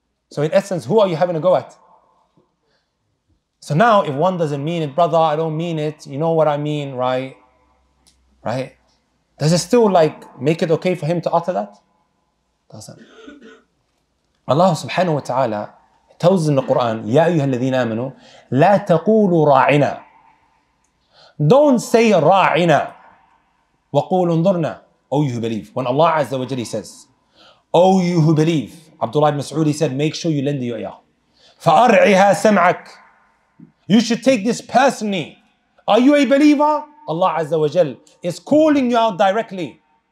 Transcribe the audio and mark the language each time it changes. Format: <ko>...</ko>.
<en>So in essence, who are you having a go at? So now, if one doesn't mean it, brother, I don't mean it. You know what I mean, right? Right? Does it still like make it okay for him to utter that? Doesn't. Allah subhanahu wa ta'ala tells in the Quran,</en> <ar>يَا أَيُّهَا الَّذِينَ آمَنُوا لَا تَقُولُوا رَاعِنَا.</ar> <en>Don't say</en> <ar>رَاعِنَا وَقُولُوا انظُرْنَا.</ar> <en>O you who believe. When Allah Azza wa Jalla says, O you who believe, Abdullah ibn Mas'ud said, make sure you lend your ear.</en> <ar>فَأَرْعِهَا سَمْعَكْ.</ar> <en>You should take this personally. Are you a believer? Allah Azza wa Jalla is calling you out directly.</en>